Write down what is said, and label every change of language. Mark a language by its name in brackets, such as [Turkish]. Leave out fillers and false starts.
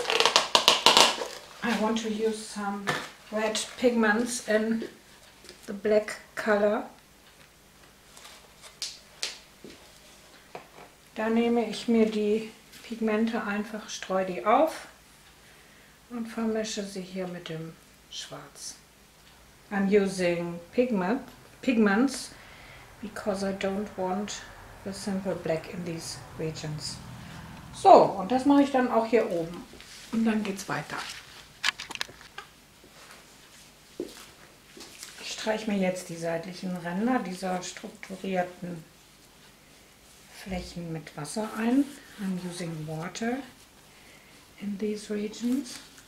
[English] I want to use some red pigments in the black color. [German] Da nehme ich mir die Pigmente einfach, streue die auf und vermische sie hier mit dem Schwarz. [English] I'm using pigments because I don't want the simple black in these regions. [German] So, und das mache ich dann auch hier oben. Und dann geht's weiter. Ich streiche mir jetzt die seitlichen Ränder dieser strukturierten Flächen mit Wasser ein. [English] I'm using water in these regions.